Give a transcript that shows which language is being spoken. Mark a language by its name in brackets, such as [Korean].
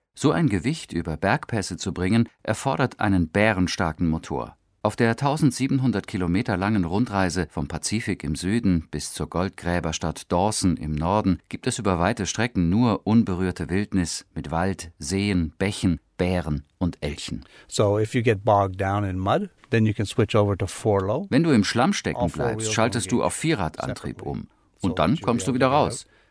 [German] So ein Gewicht über Bergpässe zu bringen, erfordert einen bärenstarken Motor. Auf der 1700 Kilometer langen Rundreise vom Pazifik im Süden bis zur Goldgräberstadt Dawson im Norden gibt es über weite Strecken nur unberührte Wildnis mit Wald, Seen, Bächen, Bären und Elchen. [English] So if you get bogged down in mud, then you can switch over to four low. [German] Wenn du im Schlamm stecken bleibst, schaltest du auf Vierradantrieb um und dann kommst du wieder raus.